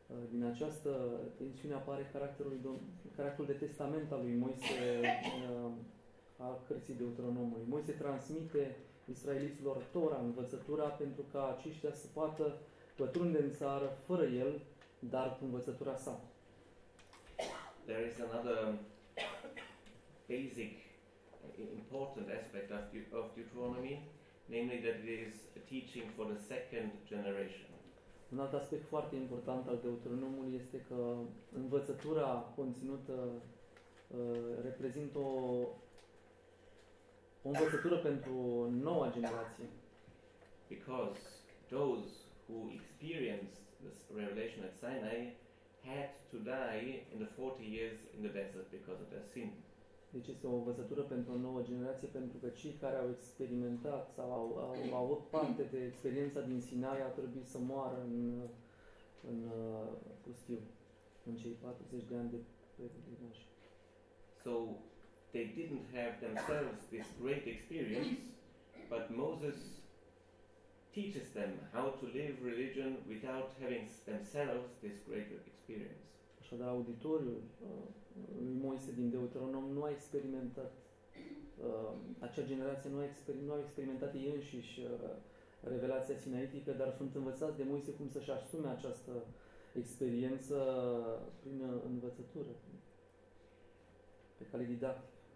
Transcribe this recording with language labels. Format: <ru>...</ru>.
<ro>Din această tensiune apare caracterul de testament al lui Moise, a cărții Deuteronomului. Moise transmite israeliților Tora, învățătura, pentru ca aceștia să poată pătrunde în țară fără el, dar cu învățătura sa.</ro> <en>There is another basic important aspect of Deuteronomy, namely that it is a teaching for the second generation.</en> <ro>Un alt aspect foarte important al Deuteronomului este că învățătura conținută reprezintă o învățătură pentru noua generație.</ro> <en>Because those who experienced this revelation at Sinai had to die in the 40 years in the desert because of their sin.</en> <ro>Deci este o învățătură pentru o nouă generație, pentru că cei care au experimentat sau au avut parte de experiența din Sinai au trebuit să moară în pustiu, în cei 40 de ani de pelerinaj.</ro> <en>So they didn't have themselves this great experience, but Moses teaches them how to live religion without having themselves this great experience.</en> <ro>Așadar, auditoriul lui Moise din Deuteronom nu a experimentat, acea generație nu a experimentat ei înșiși revelația sinaitică, dar sunt învățați de Moise cum să-și asume această experiență prin învățătură, pe cale didactică.</ro>